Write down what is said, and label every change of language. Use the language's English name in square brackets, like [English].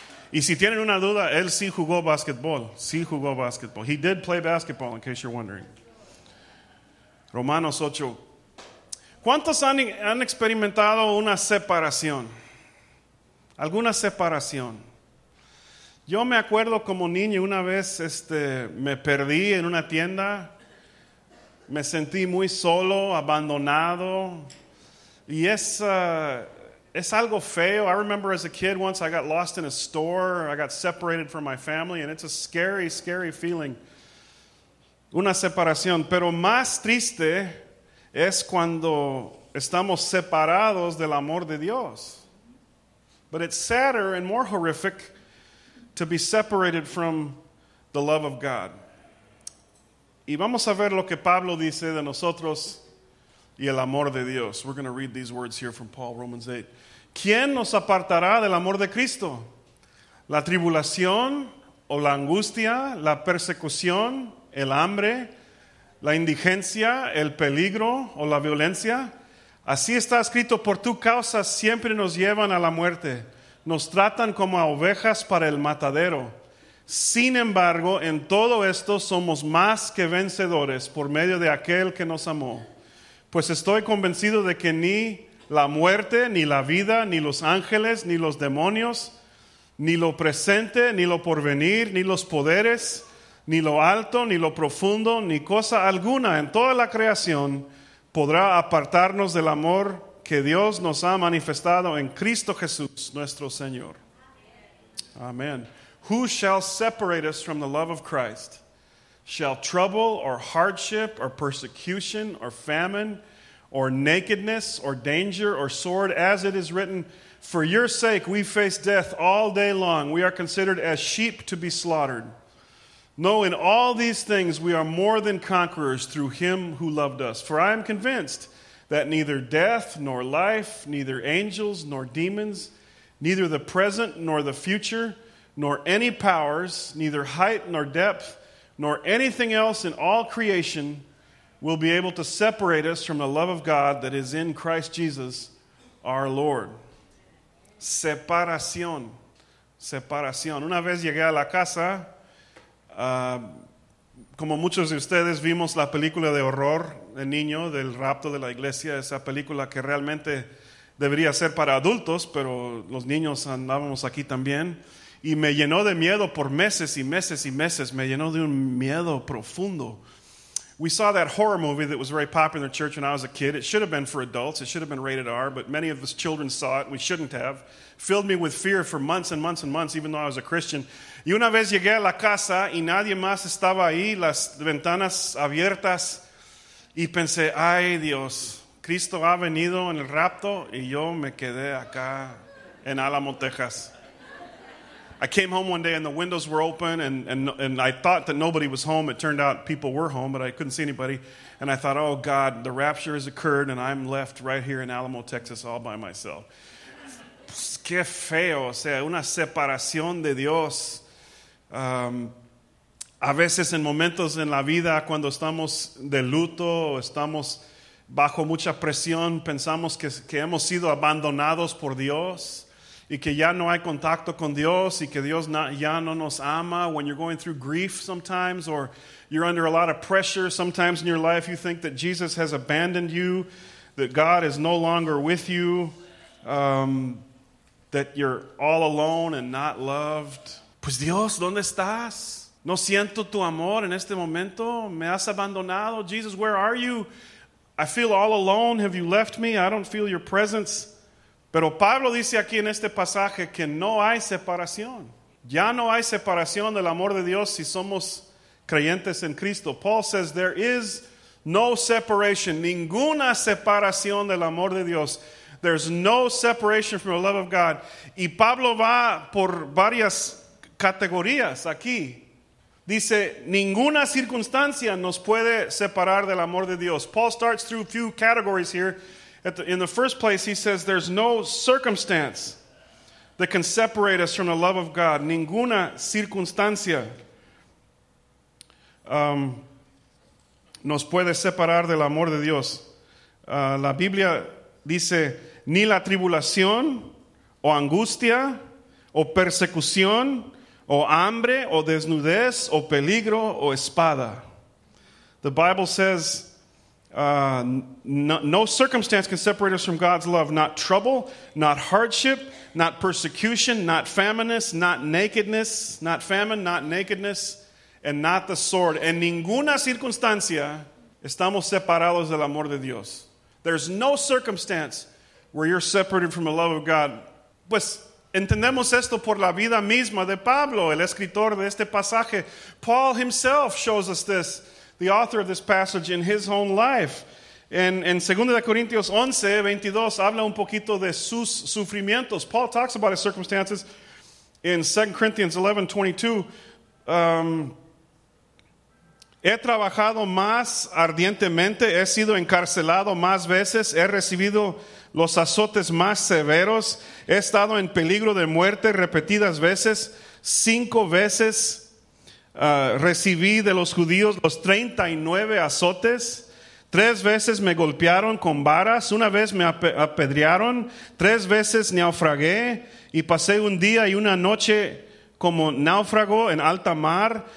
[Spanish] Y si tienen una duda, él sí jugó basketball. Sí jugó basketball. [English] He did play basketball, in case you're wondering. [Spanish] Romanos 8. ¿Cuántos han experimentado una separación? ¿Alguna separación? Yo me acuerdo como niño, una vez me perdí en una tienda. Me sentí muy solo, abandonado. Y es algo feo. [English] I remember as a kid once I got lost in a store. I got separated from my family. And it's a scary, scary feeling. [Spanish] Una separación. Pero más triste es cuando estamos separados del amor de Dios. [English] But it's sadder and more horrific to be separated from the love of God. [Spanish] Y vamos a ver lo que Pablo dice de nosotros y el amor de Dios. [English] We're going to read these words here from Paul, Romans 8. [Spanish] ¿Quién nos apartará del amor de Cristo? ¿La tribulación o la angustia, la persecución, el hambre, la indigencia, el peligro o la violencia? Así está escrito, por tu causa siempre nos llevan a la muerte. Nos tratan como a ovejas para el matadero. Sin embargo, en todo esto somos más que vencedores por medio de aquel que nos amó. Pues estoy convencido de que ni la muerte, ni la vida, ni los ángeles, ni los demonios, ni lo presente, ni lo porvenir, ni los poderes, ni lo alto, ni lo profundo, ni cosa alguna en toda la creación podrá apartarnos del amor que Dios nos ha manifestado en Cristo Jesús, nuestro Señor. [English] Amén. Who shall separate us from the love of Christ? Shall trouble or hardship or persecution or famine or nakedness or danger or sword, as it is written, for your sake we face death all day long. We are considered as sheep to be slaughtered. No, in all these things we are more than conquerors through him who loved us. For I am convinced that neither death nor life, neither angels nor demons, neither the present nor the future, nor any powers, neither height nor depth, nor anything else in all creation will be able to separate us from the love of God that is in Christ Jesus our Lord. [Spanish] Separación. Separación. Una vez llegué a la casa, como muchos de ustedes vimos la película de horror de niño, del rapto de la iglesia, esa película que realmente debería ser para adultos, pero los niños andábamos aquí también. Y me llenó de miedo por meses y meses y meses. Me llenó de un miedo profundo. [English] We saw that horror movie that was very popular in the church when I was a kid. It should have been for adults. It should have been rated R. But many of us children saw it. We shouldn't have. Filled me with fear for months and months and months, even though I was a Christian. [Spanish] Y una vez llegué a la casa y nadie más estaba ahí, las ventanas abiertas. Y pensé, ay Dios, Cristo ha venido en el rapto. Y yo me quedé acá en Alamo, Texas. [English] I came home one day and the windows were open and I thought that nobody was home. It turned out people were home, but I couldn't see anybody. And I thought, oh God, the rapture has occurred and I'm left right here in Alamo, Texas all by myself. [Spanish] Qué feo, o sea, una separación de Dios. A veces en momentos en la vida cuando estamos de luto o estamos bajo mucha presión, pensamos que hemos sido abandonados por Dios. Y que ya no hay contacto con Dios, y que Dios ya no nos ama. [English] When you're going through grief sometimes, or you're under a lot of pressure sometimes in your life, you think that Jesus has abandoned you, that God is no longer with you, that you're all alone and not loved. [Spanish] Pues Dios, ¿dónde estás? No siento tu amor en este momento. ¿Me has abandonado? [English] Jesus, where are you? I feel all alone. Have you left me? I don't feel your presence. [Spanish] Pero Pablo dice aquí en este pasaje que no hay separación. Ya no hay separación del amor de Dios si somos creyentes en Cristo. [English] Paul says there is no separation, [Spanish] ninguna separación del amor de Dios. [English] There's no separation from the love of God. [Spanish] Y Pablo va por varias categorías aquí. Dice, ninguna circunstancia nos puede separar del amor de Dios. [English] Paul starts through a few categories here. In the first place, he says, there's no circumstance that can separate us from the love of God. [Spanish] Ninguna circunstancia nos puede separar del amor de Dios. La Biblia dice, ni la tribulación, o angustia, o persecución, o hambre, o desnudez, o peligro, o espada. [English] The Bible says, no circumstance can separate us from God's love. Not trouble, not hardship, not persecution, not famine, not nakedness, not famine, not nakedness, and not the sword. [Spanish] En ninguna circunstancia estamos separados del amor de Dios. [English] There's no circumstance where you're separated from the love of God. [Spanish] Pues entendemos esto por la vida misma de Pablo, el escritor de este pasaje. [English] Paul himself shows us this, the author of this passage, in his own life. [Spanish] En 2 Corintios 11, 22, habla un poquito de sus sufrimientos. [English] Paul talks about his circumstances in 2 Corinthians 11, 22. [Spanish] He trabajado más ardientemente, he sido encarcelado más veces, he recibido los azotes más severos, he estado en peligro de muerte repetidas veces, 5 veces recibí de los judíos los 39 azotes, 3 veces me golpearon con varas, 1 vez me apedrearon, 3 veces naufragué y pasé un día y una noche como náufrago en alta mar.